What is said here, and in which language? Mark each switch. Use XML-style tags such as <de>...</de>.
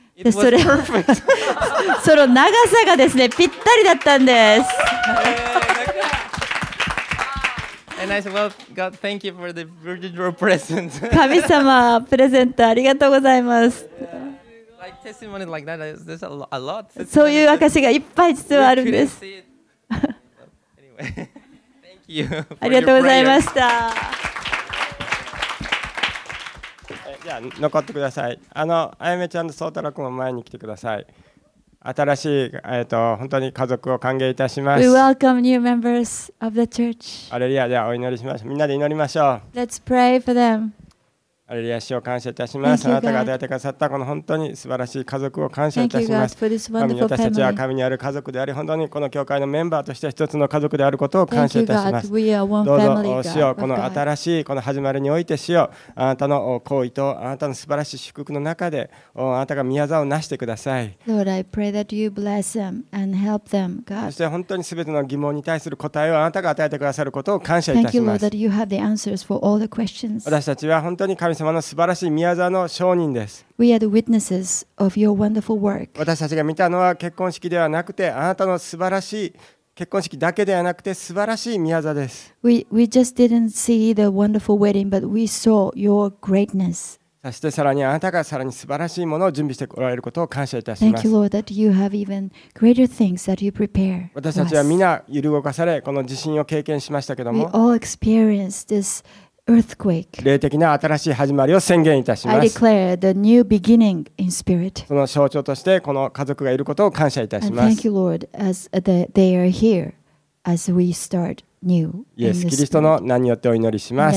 <ja>それその長さがですねぴったりだったんです。</ja> <en>And I said, "Well, God, thank you for the virgin robe present."</en> <ja>神様プレゼントありがとうございます。</ja> <en>Like testimony like that, there's a lot.</en> <ja>そういう証がいっぱい実はあるんです。</ja> <en>Anyway, thank you.</en> <ja>ありがとうございました。じゃあ残ってください。あやめちゃんとそうたろくも前に来てください。新しい本当に家族を歓迎いたします。</ja> <en>We welcome new members of the church.</en> <ja>アレリア、ではお祈りしましょう。みんなで祈りましょう。</ja> <en>Let's pray for them.</en> <ja>アレリア、主を感謝いたします。</ja> <en>Thank you, God.</en> <ja>あなたが与えてくださったこの本当に素晴らしい家族を感謝いたします。</ja> <en>Thank you, God, for this wonderful family.</en> <ja>私たちは神にある家族であり、本当にこの教会のメンバーとして一つの家族であることを感謝いたします。</ja> <en>Thank you, God. We are one family, God.</en> <ja>どうぞ主よ、この新しいこの始まりにおいて主よ、あなたの行為とあなたの素晴らしい祝福の中で、あなたが御業をなしてください。</ja> <en>Lord, I pray that you bless them and help them, God.</en> <ja>そして本当にすべての疑問に対する答えをあなたが与えてくださることを感謝いたします。</ja> <en>Thank you, Lord, that you have the answers for all the questions.</en> <ja>私たちは本当に神様の素晴らしい御業の証人です。</ja> <en>We are the witnesses of your wonderful work.</en> <ja>私たちが見たのは結婚式ではなくて、あなたの素晴らしい結婚式だけではなくて素晴らしい御業です。</ja> <en>We just didn't see the wonderful wedding, but we saw your greatness.</en> <ja>そしてさらにあなたがさらに素晴らしいものを準備しておられることを感謝いたします。私たちは皆揺るごかされこの地震を経験しましたけども、</ja> <en>We all experienced this earthquake.</en> <ja>霊的な新しい始まりを宣言いたします。</ja> <en>I declare the new beginning in spirit.</en> <ja>その象徴としてこの家族がいることを感謝いたします。</ja> <en>And thank you, Lord, as they are here as we start new.</en> <ja>イエス・キリストの名によってお祈りします。</ja>